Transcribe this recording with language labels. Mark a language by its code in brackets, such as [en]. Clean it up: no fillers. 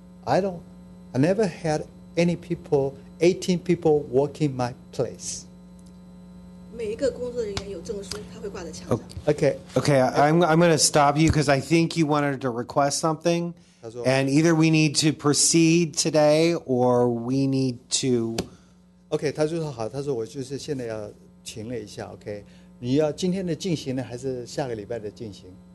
[en] I never had any people, 18 people working my place. [zh] 每一个工作人员有证书，他会挂在墙上。Okay. [en] Okay. I'm going to stop you because I think you wanted to request something, and either we need to proceed today or we need to. Okay. [zh] 他就说好，他说我就是现在要停了一下。 [en] Okay. [zh] 你要今天的进行呢，还是下个礼拜的进行？